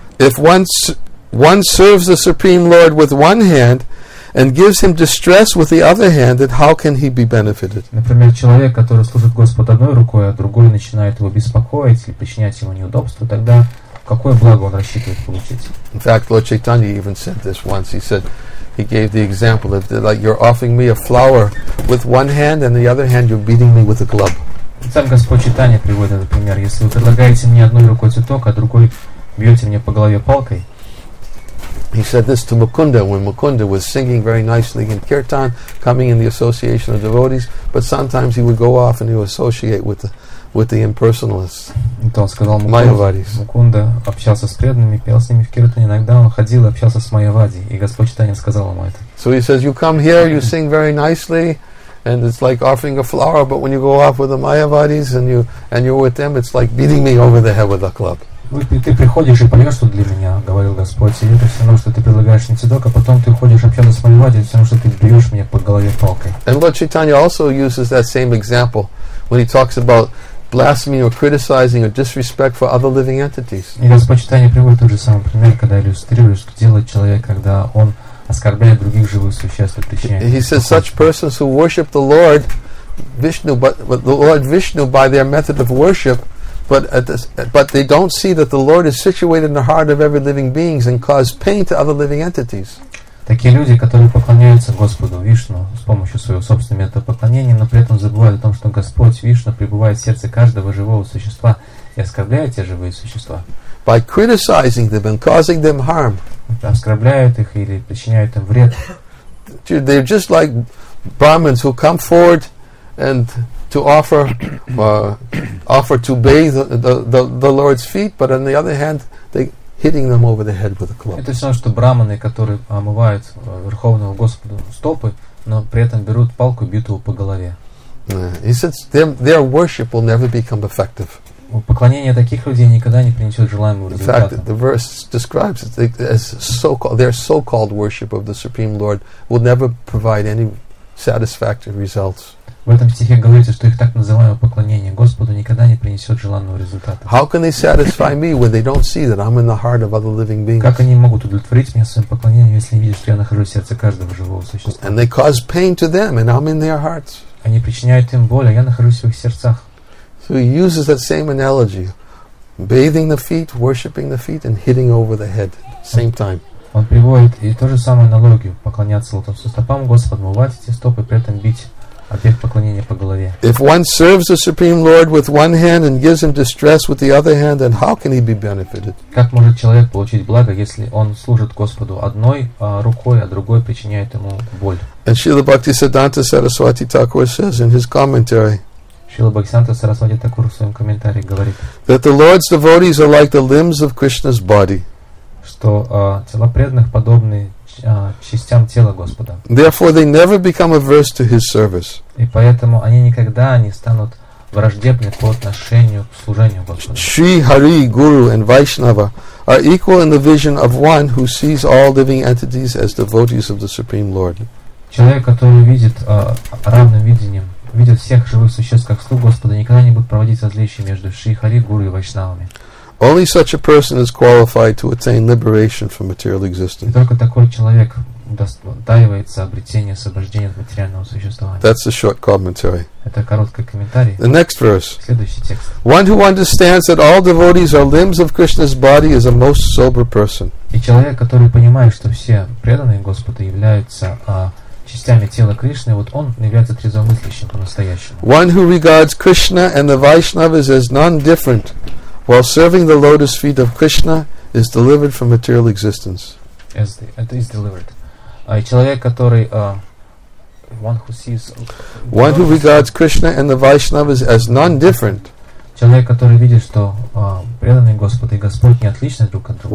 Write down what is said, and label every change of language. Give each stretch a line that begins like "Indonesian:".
English: If one serves the Supreme Lord with one hand and gives him distress with the other hand, then how can he be benefited?
Russian: Например, человек, который служит Господу одной рукой, а другой начинает его беспокоить или причинять ему неудобства, тогда какое благо он рассчитывает получить?
English: In fact, Lord Chaitanya even said this once. He said, he gave the example of like you're offering me a flower with one hand and the other hand you're beating me with a club.
Russian: Сам Господь Читания приводит этот пример. Если вы предлагаете мне одной рукой цветок, а другой бьете мне по голове палкой.
English: He said this to Mukunda when Mukunda was singing very nicely in Kirtan, coming in the association of devotees, but sometimes he would go off and he would associate with the impersonalists.
Russian: Это он сказал Майявадис. Мукунда общался с преданными, пел с ними в киртане. Иногда он ходил и общался с Майявади. И Господь Читания сказал ему это.
English: So he says, you come here, you sing very nicely, and it's like offering a flower, but when you go off with the Майявадис and you're with them, it's like beating me over the head with a club.
Russian: Ты приходишь и поешь тут для меня, говорил Господь. И это все равно, что ты предлагаешь мне цветок, а потом ты ходишь общаться с Майявади, все равно, что ты бьешь меня по голове палкой.
English: And Lord Chaitanya also uses that same example when he talks about blasphemy or criticizing or disrespect for other living entities.
Russian: И Господь Читания приводит тот же самый пример, когда иллюстрирует, что делает человек, когда он оскорбляет других живых существ.
English: He says, such persons who worship the Lord Vishnu, but the Lord Vishnu by their method of worship, but they don't see that the Lord is situated in the heart of every living beings and cause pain to other living entities.
Russian: Такие люди, которые поклоняются Господу Вишну с помощью своего собственного метода поклонения, но при этом забывают о том, что Господь Вишна пребывает в сердце каждого живого существа и оскорбляет те живые существа.
English: By criticizing them and causing them harm.
Russian: Оскорбляют их или причиняют им вред.
English: They're just like Brahmins who come forward and to offer to bathe the Lord's feet, but on the other hand, they hitting them over the head with a club.
Russian: Это все равно, что браманы, которые омывают Верховного Господа стопы, но при этом берут палку и бьют его по голове.
English: He says their worship will never become effective.
Russian: Поклонение таких людей никогда не принесет желаемого результата.
English: In fact, the verse describes it as their so-called worship of the Supreme Lord will never provide any satisfactory results.
Russian: В этом стихе говорится, что их так называемое поклонение Господу никогда не принесет желанного результата.
English: How can they satisfy me when they don't see that I'm in the heart of other living beings?
Russian: Как они могут удовлетворить меня своим поклонением, если не видят, что я нахожусь в сердце каждого живого существа?
English: And they cause pain to them, and I'm in their hearts.
Russian: Они причиняют им боль, а я нахожусь в их сердцах.
English: So he uses that same analogy: bathing the feet, worshiping the feet, and hitting over the head, same time.
Russian: Он приводит и ту же самую аналогию: поклоняться лотосу стопам Господу, мывать эти стопы, при этом бить.
English: If one serves the Supreme Lord with one hand and gives him distress with the other hand, then how can he be benefited?
Russian: Как может человек получить благо, если он служит Господу одной рукой, а другой причиняет ему боль?
English: And Srila Bhaktisiddhanta Saraswati Thakur says in his commentary.
Russian: Srila Bhaktisiddhanta Saraswati Thakur в своем комментарии говорит.
English: That the Lord's devotees are like the limbs of Krishna's body.
Russian: Что тела преданных подобны частям тела Господа.
English: Therefore, they never become averse to His service.
Russian: И поэтому они никогда не станут враждебны по отношению к служению Господу.
English: Shri Hari, Guru, and Vaishnava are equal in the vision of one who sees all living entities as devotees of the Supreme Lord.
Russian: Человек, который видит равным видением, видит всех живых существ как слуг Господа, никогда не будет проводить различия между Шри Хари, Гуру и Вайшнавами.
English: Only such a person is qualified to attain liberation from material existence.
Russian: И только такой человек удостаивается обретения освобождения от материального существования.
English: That's a short commentary.
Russian: Это короткий комментарий.
English: The next verse.
Russian: Следующий текст.
English: One who understands that all devotees are limbs of Krishna's body is a most sober person.
Russian: И человек, который понимает, что все преданные Господу являются частями тела Кришны, вот он является трезвомыслящим по-настоящему.
English: One who regards Krishna and the Vaishnavas as non-different while serving the lotus feet of Krishna is delivered from material existence. As it is delivered.
Russian: Человек, который
English: one who sees one who regards Krishna and the Vaishnavas as non-different.
Russian: Человек, который видит, что преданный Господь и Господь не отличны друг от друга.